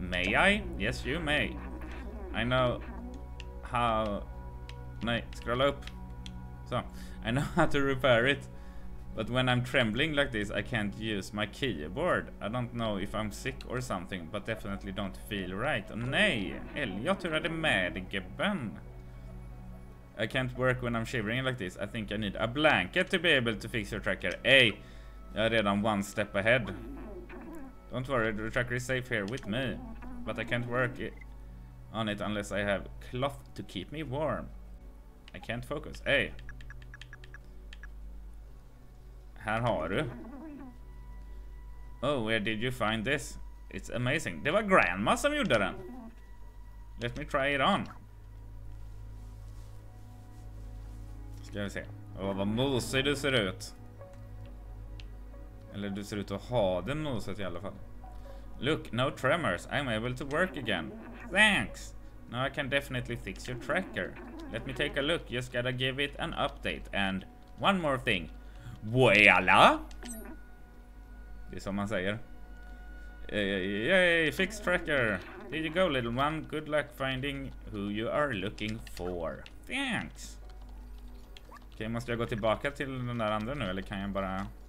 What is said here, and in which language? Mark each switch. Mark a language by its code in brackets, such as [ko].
[en] May I? Yes, you may. I know how... Nej, scroll up. So, I know how to repair it. But when I'm trembling like this, I can't use my keyboard. I don't know if I'm sick or something, but definitely don't feel right. [sv] Oh, nej, Elliot, hur är det med gubben? [en] I can't work when I'm shivering like this. I think I need a blanket to be able to fix your tracker. [sv] Hey, jag är redan [en] one step ahead. Don't worry, the tracker is safe here with me. But I can't work on it unless I have cloth to keep me warm. I can't focus. Hey. [sv] Här har du. [en] Oh, where did you find this? It's amazing. [sv] Det var grandma som gjorde den. [en] Let me try it on. [sv] Ska vi se. Åh, vad mosig du ser ut. Eller du ser ut att ha den moset i alla fall. [en] Look, no tremors. I'm able to work again. Thanks. Now I can definitely fix your tracker. Let me take a look, just gotta give it an update. And one more thing. Voila! [sv] Det är som man säger. [en] Yay, fix tracker! There you go, little one. Good luck finding who you are looking for. Thanks! [sv] Okej, måste jag gå tillbaka till den där andra nu, eller kan jag bara...